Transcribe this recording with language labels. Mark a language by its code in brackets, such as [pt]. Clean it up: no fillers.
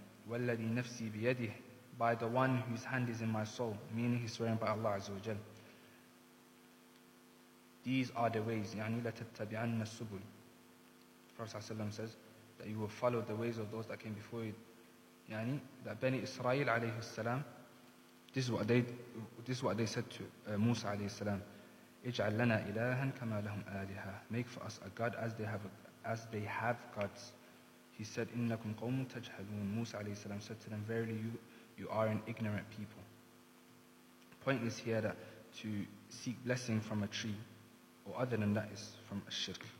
[ar] Walladhi nafsi biyadih, [en] by the one whose hand is in my soul, meaning he's swearing by Allah Azza wa Jal. These are the ways, [ar] يعني لتتبعن السبل. [en] Prophet ﷺ says that you will follow the ways of those that came before you. يعني that Bani Israel عليه السلام, this is what they said to Musa عليه السلام, [ar] اجعل لنا إلها كما لهم آلهة. [en] Make for us a God as they have gods. He said, [ar] إنكم قوم تجهلون. [en] Musa عليه السلام said to them, verily you are an ignorant people. pointless here that to seek blessing from a tree or other than that is from a shirk.